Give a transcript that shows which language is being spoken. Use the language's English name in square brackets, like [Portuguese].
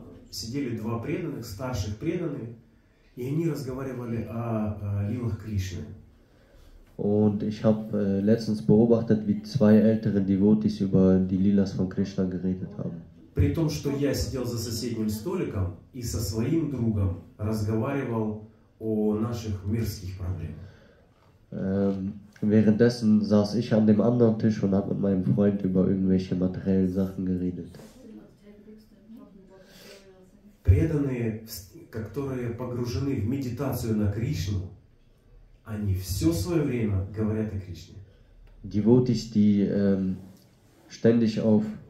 [Russian] Сидели два преданных, старших преданных, и они разговаривали о лилах Кришны. [German] Und ich habe letztens beobachtet, wie zwei ältere Devotees über die Lilas von Krishna geredet haben. [Russian] При том, что я сидел за соседним столиком и со своим другом разговаривал о наших мирских проблемах. [German] Währenddessen saß ich an dem anderen Tisch und habe mit meinem Freund über irgendwelche materiellen Sachen geredet. [Russian] Преданные, которые погружены в медитацию на Кришну, они все свое время говорят о Кришне. [German] Devotees, die ständig auf